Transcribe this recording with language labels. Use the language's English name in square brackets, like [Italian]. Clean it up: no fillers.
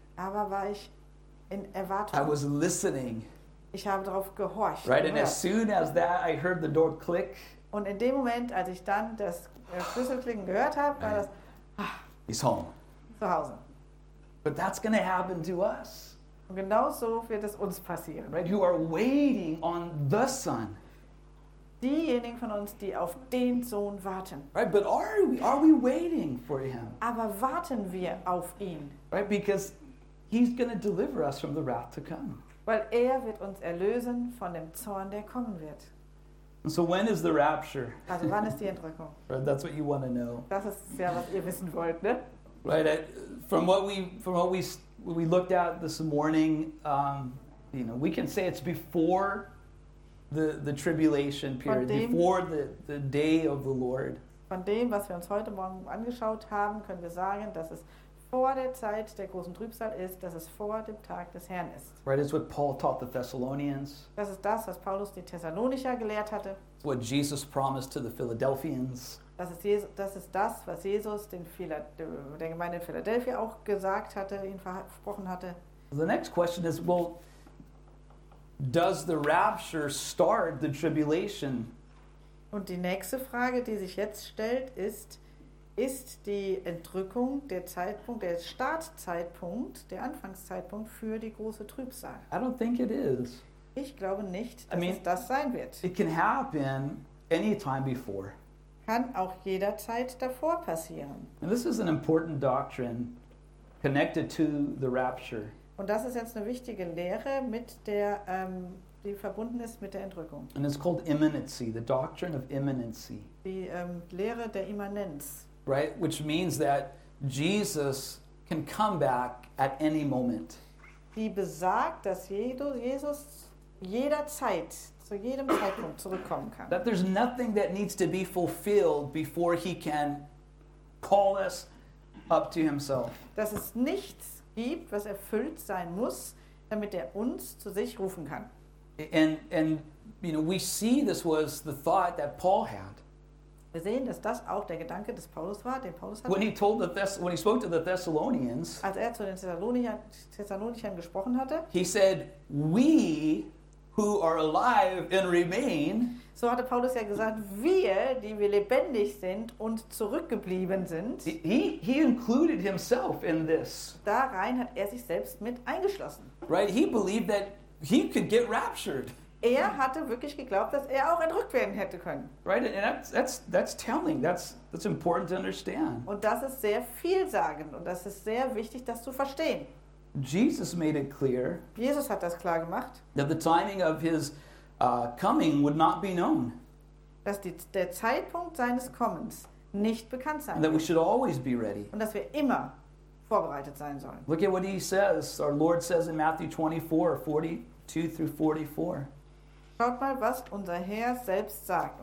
[German] Aber war ich in Erwartung. [English] I was listening. [German] Ich habe darauf gehorcht. [English] Right. And as soon as that, I heard the door click. [German] Und in dem Moment, als ich dann das Schlüsselklicken gehört habe, war das [English] He's home. [German] Zu Hause. [English] But that's going to happen to us. [German] Und genau so wird es uns passieren. [English] Right? You are waiting on the Son. [German] Diejenigen von uns, die auf den Sohn warten. [English] Right? But are we waiting for him? [German] Aber warten wir auf ihn? [English] Right? Because he's going to deliver us from the wrath to come. [German] Weil er wird uns erlösen von dem Zorn, der kommen wird. [English] And so when is the rapture? [German] Also wann ist die Entrückung? [English] Right, that's what you want to know. [German] Das ist ja, was ihr wissen wollt, ne? [English] Right, from what we looked at this morning, you know, we can say it's before the tribulation period, [German] dem, [English] before the day of the Lord. [German] Von dem, was wir uns heute Morgen angeschaut haben, können wir sagen, dass es vor der Zeit der großen Trübsal ist, dass es vor dem Tag des Herrn ist. [English] Right, it's what Paul taught the Thessalonians. [German] Das ist das, was Paulus die Thessalonicher gelehrt hatte. [English] It's what Jesus promised to the Philadelphians. [German] Das ist das, was Jesus der Gemeinde in Philadelphia auch gesagt hatte, ihn versprochen hatte. [English] The next question is, well, does the rapture start the tribulation? [German] Und die nächste Frage, die sich jetzt stellt, ist, ist die Entrückung der Zeitpunkt, der Startzeitpunkt, der Anfangszeitpunkt für die große Trübsal? [English] I don't think it is. [German] Ich glaube nicht, dass es das sein wird. [English] It can happen any time before. [German] Kann auch jederzeit davor passieren. [English] And this is an important doctrine connected to the rapture. [German] Und das ist jetzt eine wichtige Lehre, mit der, die verbunden ist mit der Entrückung. [English] And it's called immanency, the doctrine of immanency. [German] Die Lehre der Immanenz. [English] Right, which means that Jesus can come back at any moment. [German] Die besagt, dass Jesus jederzeit, zu jedem Zeitpunkt zurückkommen kann. [English] That there's nothing that needs to be fulfilled before he can call us up to himself. [German] Dass es nichts gibt, was erfüllt sein muss, damit er uns zu sich rufen kann. [English] And you know, we see this was the thought that Paul had. [German] Wir sehen, dass das auch der Gedanke des Paulus war, den Paulus hatte. [English] When he spoke to the Thessalonians, [German] als er zu den Thessalonichern gesprochen hatte, [English] he said, "We who are alive and remain." [German] So hatte Paulus ja gesagt, wir, die wir lebendig sind und zurückgeblieben sind. [English] He included himself in this. [German] Da rein hat er sich selbst mit eingeschlossen. [English] Right, he believed that he could get raptured. [German] Er hatte wirklich geglaubt, dass er auch entrückt werden hätte können. [English] Right, and that's telling. That's important to understand. [German] Und das ist sehr vielsagend und das ist sehr wichtig, das zu verstehen. [English] Jesus made it clear. [German] Jesus hat das klar gemacht. [English] That the timing of his coming would not be known. [German] Dass der Zeitpunkt seines Kommens nicht bekannt sein. [English] And that we should always be ready. [German] Und dass wir immer vorbereitet sein sollen. [English] Look at what he says. Our Lord says in Matthew 24:42-44. [German] Schaut mal, was unser Herr selbst sagt.